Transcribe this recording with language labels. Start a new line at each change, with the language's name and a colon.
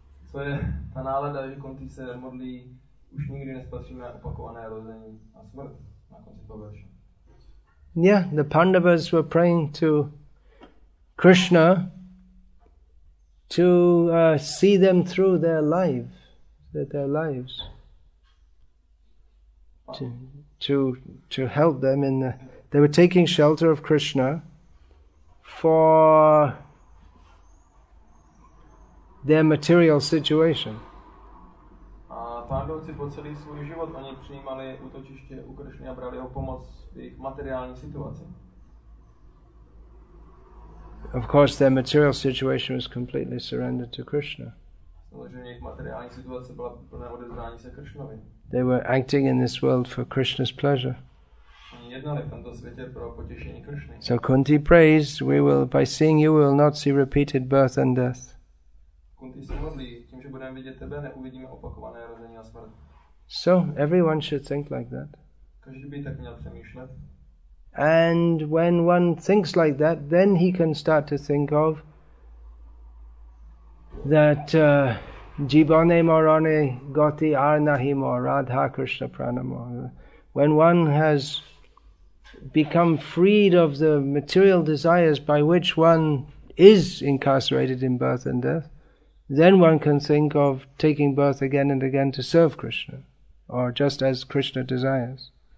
Czech: So, ta nálada, že Kunti se modlí, už nikdy nespatříme opakované rození a smrt na konci toho verše.
English: Yeah, the Pandavas were praying to Krishna to see them through their life, their lives, to help them in the... They were taking shelter of Krishna for their material situation.
Czech: Pandavci po celý svůj život oni přijímali útočiště u Krishny a brali ho pomoc v jejich materiální situaci.
English: Of course, their material situation was completely surrendered to Krishna.
Czech: Samozřejmě jejich materiální situace byla plná odevzdání se Krishnovi.
English: They were acting in this world for Krishna's pleasure.
Czech: Oni jednali v tomto světě pro potěšení Krishny.
English: So Kunti prays, we will, by seeing you, we will not see repeated birth and death.
Czech: Kunti se modlí, tím, že budeme vidět tebe, neuvidíme opakované rození a smrt.
English: So everyone should think like that.
Czech: Každý by tak měl přemýšlet.
English: And when one thinks like that, then he can start to think of that
Bangla: jibane morone gati arnahi mor radha krishna pranamor.
English: When one has become freed of the material desires by which one is incarcerated in birth and death, then one can think of taking birth again and again to serve Krishna, or just as Krishna desires.